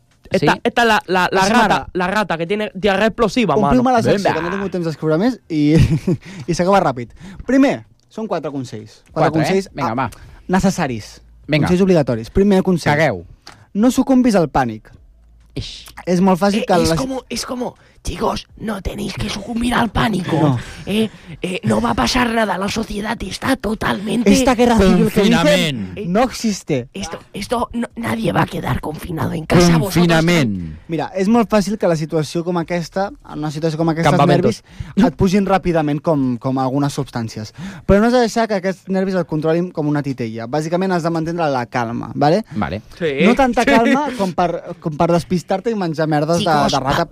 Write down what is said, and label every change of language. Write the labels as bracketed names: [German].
[Spanish] Esta la rata que tiene diarrea explosiva. [Catalan] Compliu-me la secció, que no tinc temps d'escriure més i s'acaba ràpid. Primer, són 4 consells. 4 consells, eh? Vinga, va. Necessaris. Vinga. Consells obligatoris. Primer consell. Cagueu. No sucumbis al pànic. És molt fàcil que... És les... com... [Spanish] Chicos, no tenéis que sucumbir al pánico. [Catalan] No. No va passar nada. La societat està totalment... [Spanish] Esta guerra civil que dicen no existe. Esto no, nadie va a quedar confinado en casa. [Catalan] Confinament. Mira, és molt fàcil que la situació com aquesta, en una situació com aquestes nervis, et pugin ràpidament com algunes substàncies. Però no has de deixar que aquests nervis el controlin com una titella. Bàsicament has de mantenir la calma, ¿vale? Vale. Sí. No tanta calma com per despistar-te i menjar merdes de rata.